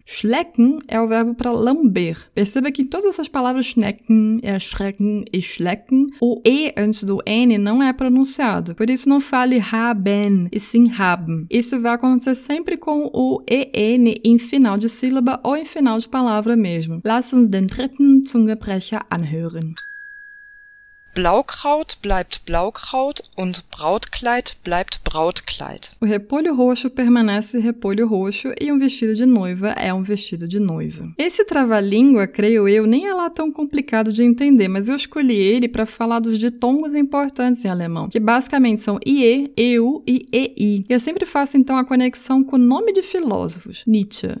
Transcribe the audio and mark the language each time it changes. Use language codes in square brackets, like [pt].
[pt] Schlecken é o verbo para lamber. Perceba que em todas essas palavras schnecken, erschrecken e schlecken, o E antes do N não é pronunciado. Por isso não fale haben e sim haben. Isso vai acontecer sempre com o EN em final de sílaba ou em final de palavra mesmo. [de] Lass uns den dritten Zungenbrecher anhören. Blaukraut bleibt Blaukraut und Brautkleid bleibt Brautkleid. [pt] O repolho roxo permanece repolho roxo e um vestido de noiva é um vestido de noiva. Esse trava-língua, creio eu, nem é lá tão complicado de entender, mas eu escolhi ele para falar dos ditongos importantes em alemão, que basicamente são IE, EU e EI. Eu sempre faço então a conexão com o nome de filósofos, Nietzsche.